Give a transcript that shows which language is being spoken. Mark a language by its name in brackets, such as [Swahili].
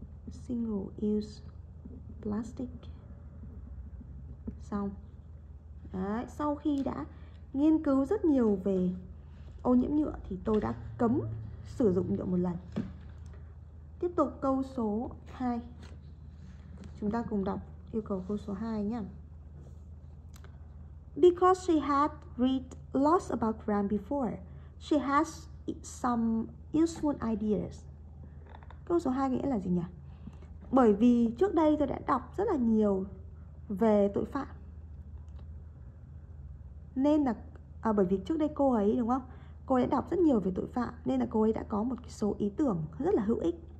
[English] Single use plastic. [Vietnamese] Xong. Đấy, sau khi đã nghiên cứu rất nhiều về ô nhiễm nhựa thì tôi đã cấm sử dụng nhựa một lần. Tiếp tục câu số 2. Chúng ta cùng đọc yêu cầu câu số 2 nhé. [English] Because she had read lots about gram before, she has some useful ideas. [Vietnamese] Câu số 2 nghĩa là gì nhỉ? Bởi vì trước đây tôi đã đọc rất là nhiều về tội phạm. Nên là bởi vì trước đây cô ấy, đúng không? Cô ấy đã đọc rất nhiều về tội phạm, nên là cô ấy đã có một số ý tưởng rất là hữu ích.